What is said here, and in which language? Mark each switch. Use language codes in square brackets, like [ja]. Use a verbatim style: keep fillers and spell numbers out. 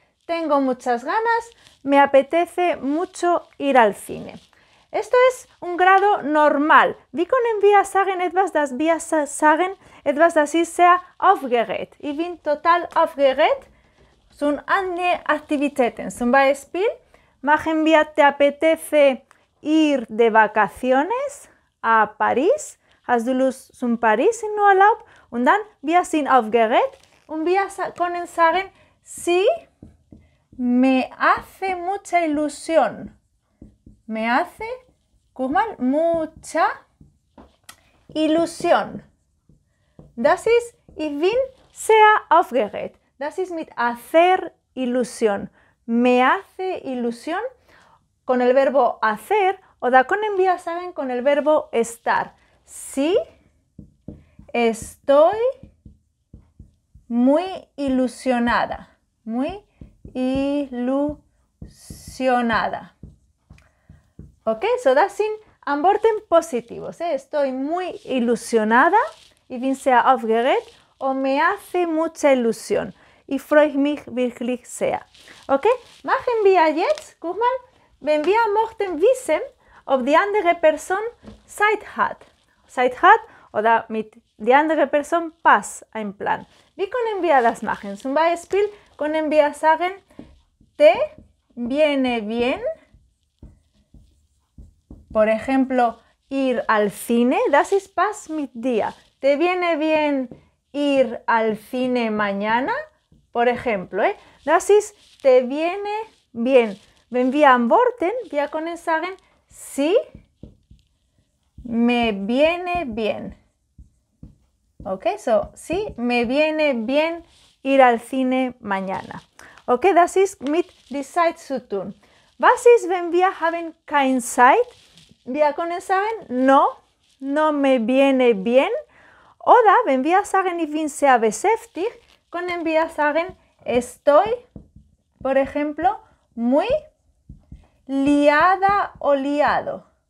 [es] Tengo muchas ganas, me apetece mucho ir al cine. Esto es un grado normal. [de] Wie können wir sagen etwas, das wir sagen, etwas, das ist sehr aufgeregt. Ich bin total aufgeregt zu anderen Aktivitäten. Zum Beispiel, machen wir, [es] te apetece ir de vacaciones a Paris. [de] Hast du Lust zum Paris in Urlaub? Und dann, wir sind aufgeregt und wir können sagen, [es] sí, me hace mucha ilusión. Me hace, Kumal, mucha ilusión. [de] Das ist, ich bin sehr aufgeregt. Das ist mit [es] hacer ilusión. Me hace ilusión con el verbo hacer o da con envía, saben, con el verbo estar. Sí, estoy muy ilusionada. Muy ilusionada. [de] Ok, so das sind Antworten positivos. Eh? [es] Estoy muy ilusionada, [de] ich bin sehr aufgeregt [es] o me hace mucha ilusión. [de] Ich freue mich wirklich sehr. Ok, machen wir jetzt, guck mal, wenn wir möchten wissen, ob die andere Person Zeit hat. Zeit hat oder mit der andere Person passt ein Plan. Wie können wir das machen? Zum Beispiel können wir sagen, [es] te viene bien. Por ejemplo, ir al cine, [de] das ist passt mit dir. [es] Te viene bien ir al cine mañana, por ejemplo, ¿eh? [de] Das ist, [es] te viene bien. [de] Wenn wir am Worten, wir können sagen, [es] sí, me viene bien. Okay, so, sí, me viene bien ir al cine mañana. [de] Okay, das ist mit die Zeit zu tun. Was ist, wenn wir haben keine Zeit? Wir können sagen, [es] no, no me viene bien. [de] Oder, wenn wir sagen, ich bin sehr beschäftigt, können wir sagen, [es] estoy, por ejemplo, muy liada o liado.